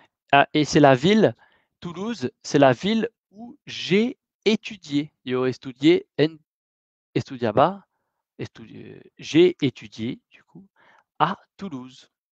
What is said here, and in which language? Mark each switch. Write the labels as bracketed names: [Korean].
[French] Ah, et c'est la ville, Toulouse, c'est la ville où j'ai étudié. [Spanish] Yo estudié en estudiaba. [French] J'ai étudié, du coup, à Toulouse.